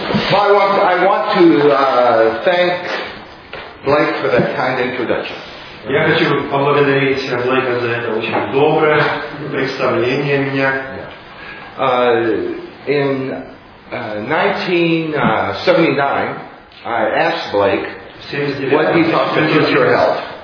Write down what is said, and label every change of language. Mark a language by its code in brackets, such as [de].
[en] I want to thank Blake for that kind introduction. [ru] Я хочу поблагодарить Блейка за это очень доброе представление меня. [en] In 1979, I asked Blake what he thought could use your help.